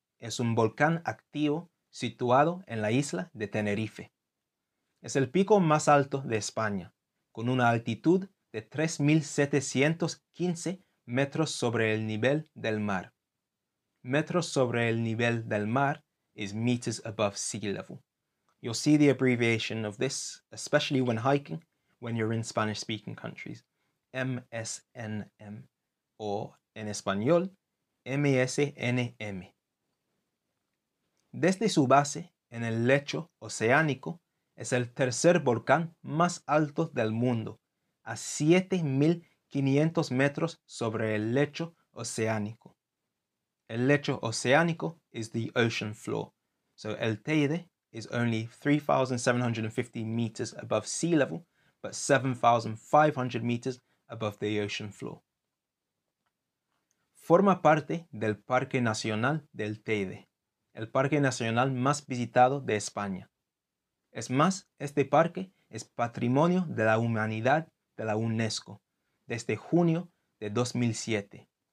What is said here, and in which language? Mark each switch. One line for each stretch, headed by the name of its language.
Spanish: es un volcán activo situado en la isla de Tenerife. Es el pico más alto de España, con una altitud de 3.715 metros sobre el nivel del mar. Metros sobre el nivel del mar
English: is meters above sea level. You'll see the abbreviation of this, especially when hiking, when you're in Spanish-speaking countries.
Spanish: MSNM, o en español, MSNM. Desde su base en el lecho oceánico, es el tercer volcán más alto del mundo, a 7.500 metros sobre el lecho oceánico. El lecho oceánico
English: is the ocean floor. So El Teide is only 3,750 meters above sea level, but 7,500 meters above the ocean floor.
Spanish: Forma parte del Parque Nacional del Teide, el parque nacional más visitado de España. Es más, este parque es Patrimonio de la Humanidad de la UNESCO desde junio de 2007.